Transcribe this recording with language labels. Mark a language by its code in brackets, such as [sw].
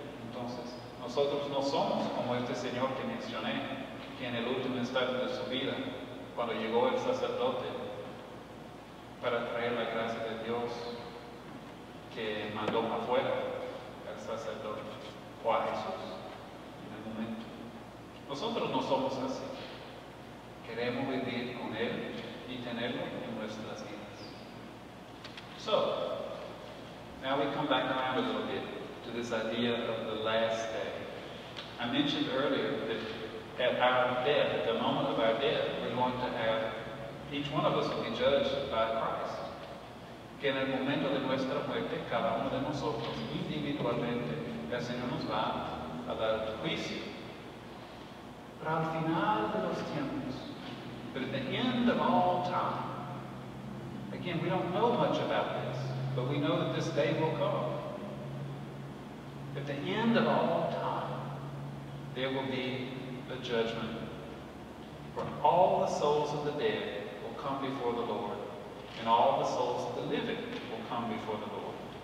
[es] Entonces, nosotros no somos como este señor que mencioné, que en el último instante de su vida, cuando llegó el sacerdote para traer la gracia de Dios, que mandó afuera al sacerdote o a Jesús en el momento. Nosotros no somos así. Queremos vivir con él y tenerlo en nuestras vidas. [en] So, now we come back around a little bit to this idea of the last day. I mentioned earlier that at our death, at the moment of our death, we're going to have, each one of us will be judged by Christ. [es] Que en el momento de nuestra muerte, cada uno de nosotros, individualmente, el Señor nos va a dar juicio. Pero al final de los tiempos, [en] but at the end of all time, again, we don't know much about this, but we know that this day will come. At the end of all time, there will be a judgment where all the souls of the dead will come before the Lord, and all the souls of the living will come before the Lord.